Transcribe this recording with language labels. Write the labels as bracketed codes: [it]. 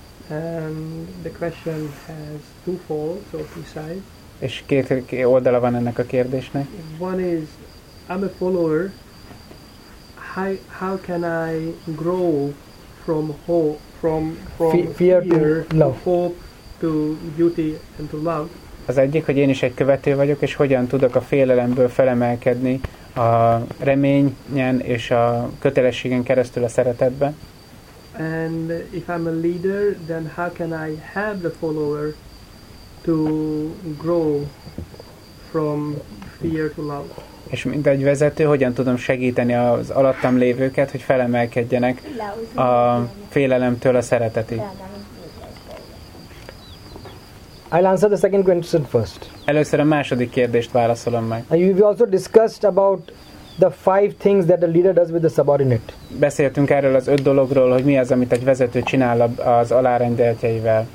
[en] And the question has two folds or two sides. [hu] És két oldala van ennek a kérdésnek. [en] One is, I'm a follower. How can I grow from hope, from fear to hope, to duty and to love? [hu] Az egyik, hogy én is egy követő vagyok, és hogyan tudok a félelemből felemelkedni a reményen és a kötelességen keresztül a szeretetbe. [en] And if I'm a leader, then how can I help the follower to grow from fear to love? [hu] És mint egy vezető, hogyan tudom segíteni az alattam lévőket, hogy felemelkedjenek a félelemtől a szeretetig? [en] I'll answer the second question first. [hu] Először a második kérdést válaszolom meg. [en] We also discussed about the five things that a leader does with the subordinate. [hu] Beszéltünk erről az öt dologról, hogy mi az, amit egy vezető csinál az alárendeltjeivel.